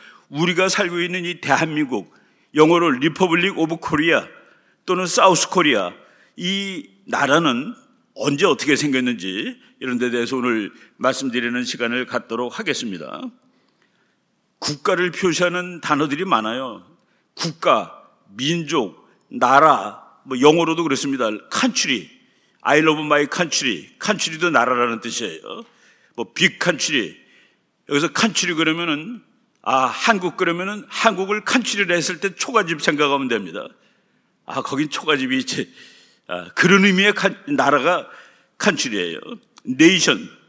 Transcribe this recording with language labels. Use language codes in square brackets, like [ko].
[ko] 우리가 살고 있는 이 대한민국, 영어로 Republic of Korea 또는 South Korea, 이 나라는 언제 어떻게 생겼는지 이런 데 대해서 오늘 말씀드리는 시간을 갖도록 하겠습니다. 국가를 표시하는 단어들이 많아요. 국가, 민족, 나라, 뭐 영어로도 그렇습니다. [en] Country, I love my country. [ko] Country도 나라라는 뜻이에요. 뭐 big country, 여기서 country 그러면은 한국 그러면은 한국을 칸츄리를 했을 때 초가집 생각하면 됩니다. 거긴 초가집이 있지. 그런 의미의 나라가 칸츄리예요. 네이션,